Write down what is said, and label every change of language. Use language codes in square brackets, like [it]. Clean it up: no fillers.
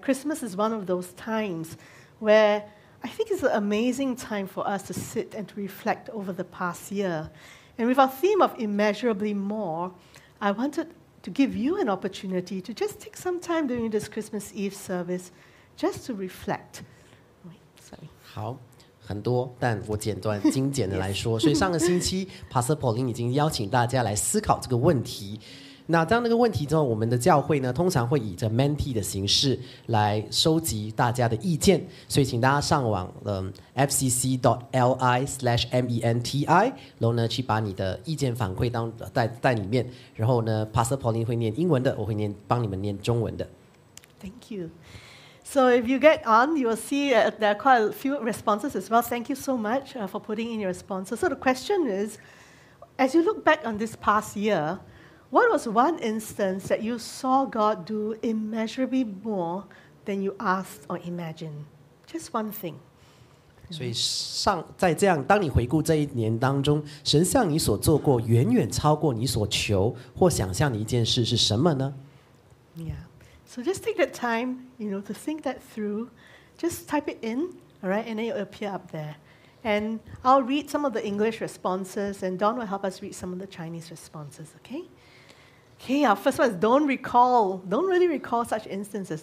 [en] Christmas is one of those times where I think it's an amazing time for us to sit and to reflect over the past year. And with our theme of immeasurably more, I wanted to give you an opportunity to just take some time during this Christmas Eve service just to reflect. Wait, sorry. 好。 [zh] 很多，但我简短精简的来说。所以上个星期Pastor Pauline已经邀请大家来思考这个问题。那当那个问题之后，我们的教会呢，通常会以这 Menti 的形式来收集大家的意见。所以请大家上网fcc.li/menti， 然后呢去把你的意见反馈当在里面。然后呢 ，Pastor Pauline 会念英文的，我会念帮你们念中文的。 [en] Thank you. So if you get on, you will see there are quite a few responses as well. Thank you so much for putting in your responses. So the question is, as you look back on this past year, what was one instance that you saw God do immeasurably more than you asked or imagined? Just one thing. [zh] 所以上在这样，当你回顾这一年当中，神向你所做过远远超过你所求或想象的一件事是什么呢？ [en] Yeah. So just take that time, you know, to think that through. Just type it in, all right, and then it'll appear up there. And I'll read some of the English responses, and Don will help us read some of the Chinese responses, okay? Okay, our first one is don't really recall such instances.